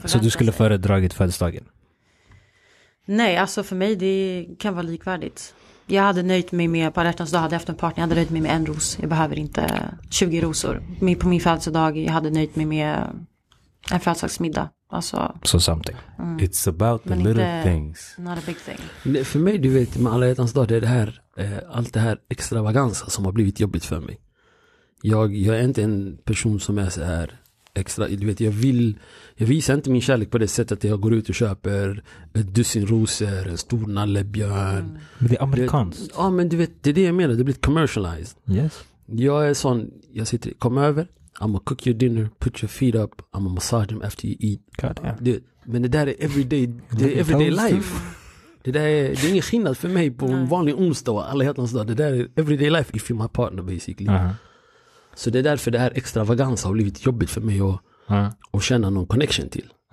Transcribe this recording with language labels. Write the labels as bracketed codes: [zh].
[sv] så du skulle föredragit födelsedagen? Nej, alltså för mig det kan vara likvärdigt. Jag hade nöjt mig med, på hjärtans dag hade jag haft en partner, jag hade nöjt mig med en ros. Jag behöver inte 20 rosor. På min födelsedag jag hade nöjt mig med en födelsedagsmiddag. Alltså, [en] so something. It's about the little things. Not a big thing. [sv] Nej, för mig, du vet, med Alla hjärtans dag, det är det här, allt det här extravagansa som har blivit jobbigt för mig. Jag är inte en person som är så här extra, du vet, jag visar inte min kärlek på det sättet att jag går ut och köper ett dussin rosor, en stor nallebjörn. Men det är amerikanskt. Ja, men du vet, det är det jag menar, det blir commercialized. [en] Yes. [sv] Jag är sån, jag sitter, kom över. [en] I'm gonna cook your dinner, put your feet up, I'm gonna massage them after you eat. God, yeah. [sv] Men det där är everyday, det är [en] everyday life. Det är ingen skillnad för mig på en vanlig onsdag, Alla hjärtans dag. Det där är everyday life if you're my partner, basically. [sv] Så det är därför det här extravagans har blivit jobbigt för mig att känna någon connection till.